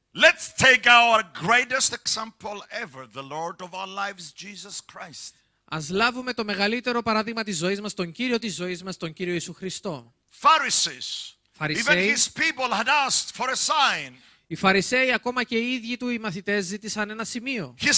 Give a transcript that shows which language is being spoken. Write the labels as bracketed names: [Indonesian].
[English] Let's take our greatest example ever, the Lord of our lives, Jesus Christ. [Greek] Ας λάβουμε το μεγαλύτερο παράδειγμα της ζωής μας, τον Κύριο της ζωής μας, τον Κύριο Ιησού Χριστό. [English] Pharisees. [Greek] Φαρισαίοι. [English] Even his people had asked for a sign. [Greek] Οι Φαρισαίοι, ακόμα και οι ίδιοι του οι μαθητές, ζήτησαν ένα σημείο.